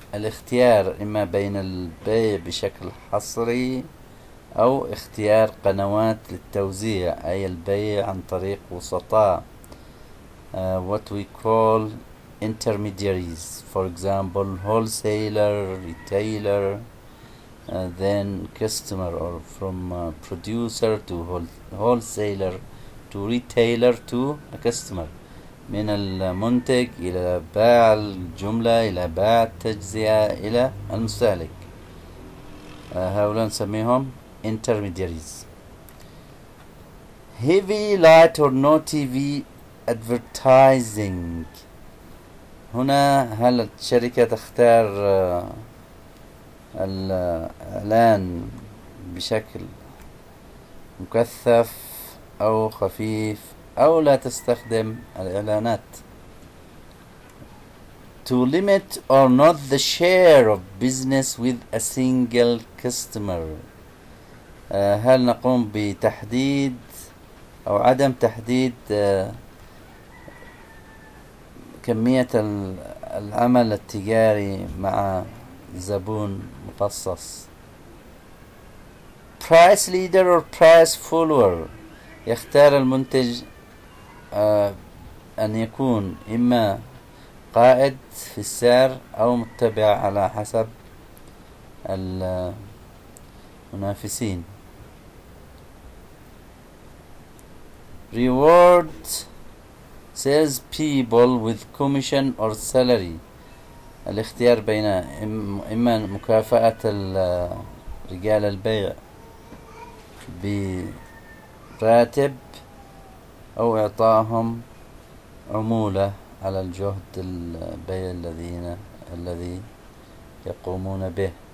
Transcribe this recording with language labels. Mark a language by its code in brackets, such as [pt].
[ar] الاختيار إما بين البيع بشكل حصري أو اختيار قنوات للتوزيع أي البيع عن طريق وسطاء [en] what we call intermediaries, for example wholesaler, retailer, then customer, or from producer to wholesaler to retailer to a customer. [ar] من المنتج إلى بائع الجملة إلى بائع التجزئة إلى المستهلك. هؤلاء نسميهم intermediaries. [en] Heavy light or no TV advertising. [ar] هنا هل الشركة تختار الإعلان بشكل مكثف أو خفيف؟ أو لا تستخدم الإعلانات. [en] To limit or not the share of business with a single customer. [ar] هل نقوم بتحديد أو عدم تحديد كمية العمل التجاري مع زبون مخصص. [en] Price leader or price follower. [ar] يختار المنتج أن يكون إما قائد في السعر أو متبع على حسب المنافسين. [en] Reward sales people with commission or salary. [ar] الاختيار بين إما مكافأة رجال البيع براتب أو إعطائهم عمولة على الجهد البيع الذي يقومون به.